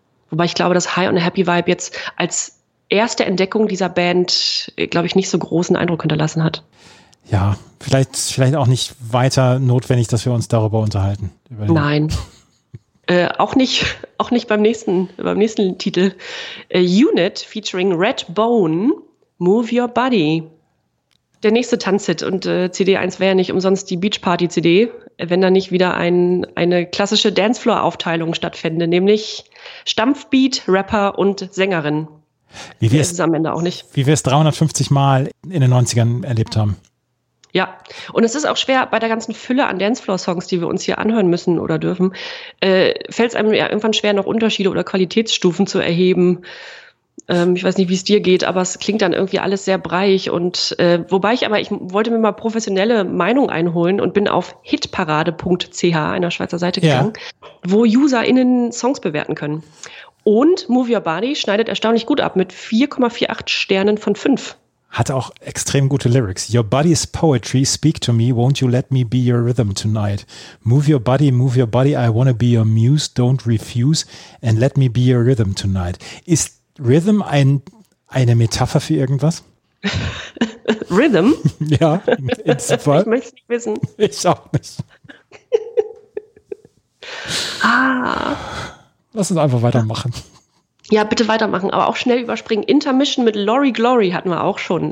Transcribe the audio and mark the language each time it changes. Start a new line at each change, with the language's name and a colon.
German: Wobei ich glaube, dass High on a Happy Vibe jetzt als erste Entdeckung dieser Band, glaube ich, nicht so großen Eindruck hinterlassen hat. Ja, vielleicht auch nicht weiter notwendig, dass wir uns darüber unterhalten. Nein. auch nicht beim nächsten Titel. Unit featuring Red Bone, Move Your Body. Der nächste Tanzhit und CD1 wäre ja nicht umsonst die Beachparty-CD, wenn da nicht wieder eine klassische Dancefloor-Aufteilung stattfände, nämlich Stampfbeat, Rapper und Sängerin. Wie wir es am Ende auch nicht. Wie wir es 350 Mal in den 90ern erlebt haben. Ja, und es ist auch schwer bei der ganzen Fülle an Dancefloor-Songs, die wir uns hier anhören müssen oder dürfen, fällt es einem ja irgendwann schwer, noch Unterschiede oder Qualitätsstufen zu erheben. Ich weiß nicht, wie es dir geht, aber es klingt dann irgendwie alles sehr breiig. Und ich wollte mir mal professionelle Meinung einholen und bin auf hitparade.ch, einer Schweizer Seite, gegangen, wo UserInnen Songs bewerten können. Und Move Your Body schneidet erstaunlich gut ab mit 4,48 Sternen von 5. Hat auch extrem gute Lyrics.
English: Your body is poetry, speak to me, won't you let me be your rhythm tonight? Move your body, I wanna be your muse, don't refuse, and let me be your rhythm tonight.
German: Ist Rhythm eine Metapher für irgendwas? Rhythm? Ja, insofern. Ich möchte es nicht wissen. Ich auch nicht. Lass uns einfach weitermachen. Ja, bitte weitermachen, aber auch schnell überspringen. Intermission mit Lori Glory hatten wir auch schon.